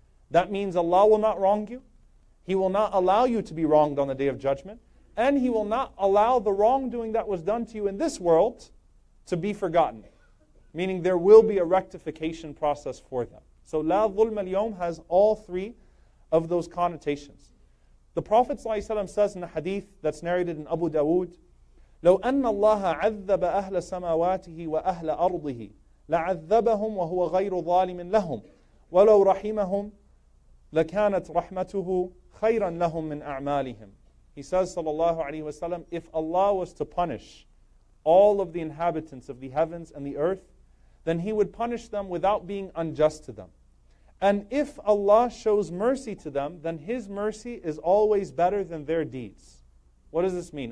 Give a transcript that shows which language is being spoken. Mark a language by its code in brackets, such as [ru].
[en] That means Allah will not wrong you. He will not allow you to be wronged on the day of judgment. And he will not allow the wrongdoing that was done to you in this world to be forgotten. Meaning there will be a rectification process for them. So [ar] لا ظلم اليوم [en] has all three of those connotations. The Prophet ﷺ says in a hadith that's narrated in Abu Dawood, [ar] لو أن الله عذب أهل سماواته وأهل أرضه لعذبهم وهو غير ظالم لهم ولو رحمهم لكانت رحمته خيرا لهم من أعمالهم. [en] He says sallallahu alayhi wa sallam, if Allah was to punish all of the inhabitants of the heavens and the earth, then he would punish them without being unjust to them. And if Allah shows mercy to them, then his mercy is always better than their deeds. What does this mean?